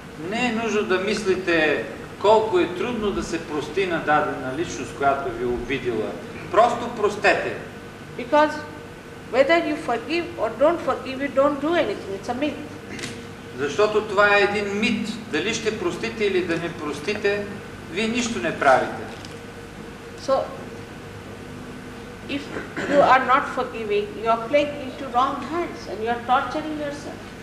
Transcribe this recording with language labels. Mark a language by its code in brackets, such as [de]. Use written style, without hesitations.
[bg] Не е нужно да мислите колко е трудно да се прости на дадена личност, която ви е обидила. Просто простете. [en] Because whether you forgive or don't forgive, you don't do anything. It's a myth. [bg] Защото това е един мит. Дали ще простите или да не простите, вие нищо не правите. [en] So, if you are not forgiving, you are playing into wrong hands and you are torturing yourself.